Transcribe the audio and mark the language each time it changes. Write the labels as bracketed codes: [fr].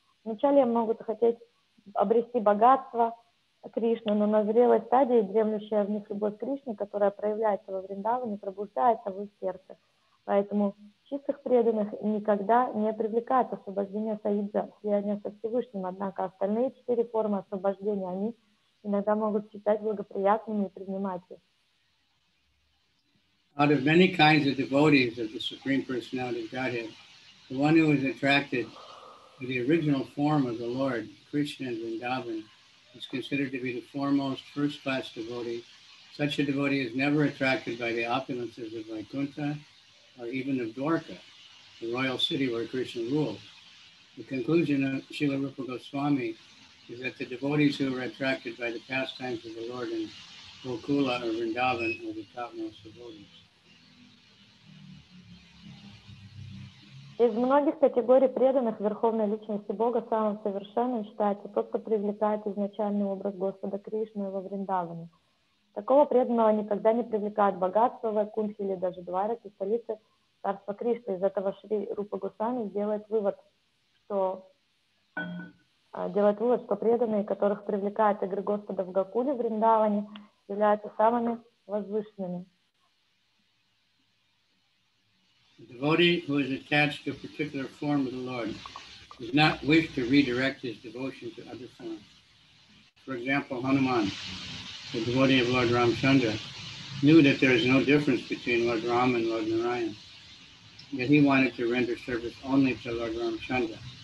[ru] Вначале могут хотеть обрести богатство Кришны, но на зрелой стадии, дремлющая в них любовь к Кришне, которая проявляется во Вриндаване, пробуждается в их сердце. Поэтому чистых преданных никогда не привлекает освобождение Саиджа, слияние со Всевышним, однако остальные четыре формы освобождения они иногда могут считать благоприятными и принимать их. [en] Out of many kinds of devotees of the Supreme Personality of Godhead, the one who is attracted to the original form of the Lord, Krishna and Vrindavan, is considered to be the foremost first-class devotee. Such a devotee is never attracted by the opulences of Vaikuntha or even of Dwarka, the royal city where Krishna rules. The conclusion of Srila Rupa Goswami is that the devotees who are attracted by the pastimes of the Lord in Gokula or Vrindavan are the topmost devotees. [ru] Из многих категорий преданных Верховной Личности Бога самым совершенным считается тот, кто привлекает изначальный образ Господа Кришны во Вриндаване. Такого преданного никогда не привлекает богатство Вайкунтхи или даже дварак и столицы царства Кришны. Из этого Шри Рупа Госвами делает вывод, что преданные, которых привлекает игры Господа в Гокуле, в Вриндаване, являются самыми возвышенными. [en] devotee who is attached to a particular form of the Lord does not wish to redirect his devotion to other forms. For example, Hanuman, the devotee of Lord Ramchandra, knew that there is no difference between Lord Ram and Lord Narayan, yet he wanted to render service only to Lord Ramchandra.